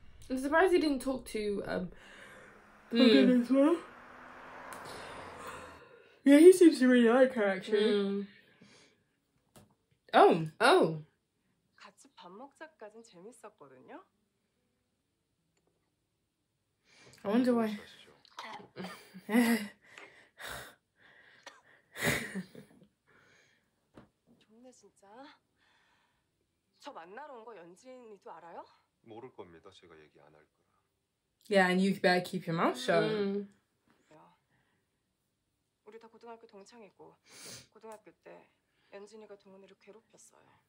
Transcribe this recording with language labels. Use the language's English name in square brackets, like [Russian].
[English] I'm surprised he didn't talk to as well. Yeah, he seems to really like her actually. Oh. [Korean] 같이 밥 먹자까진 재밌었거든요. [English] I wonder why. [Korean] Jonne 진짜. 저 만나러 온 거 연진이도 알아요? 모를 겁니다. 제가 얘기 안 할 거야. [English] Yeah, and you better keep your mouth shut. [Korean] 우리 다 고등학교 동창이고 고등학교 때 연진이가 동훈이를 괴롭혔어요.